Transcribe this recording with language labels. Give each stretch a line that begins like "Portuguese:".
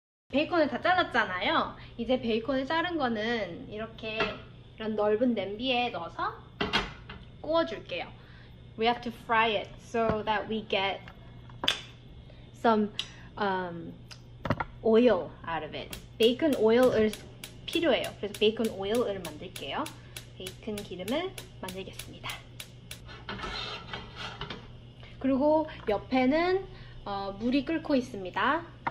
Korean: 베이컨을 다 잘랐잖아요. 이제 베이컨을 자른 거는 이렇게 이런 넓은 냄비에 넣어서 구워줄게요.
English: We have to fry it so that we get some oil out of it.
Korean: 베이컨 오일을 필요해요. 그래서 베이컨 오일을 만들게요. 베이컨 기름을 만들겠습니다. 그리고 옆에는 물이 끓고 있습니다.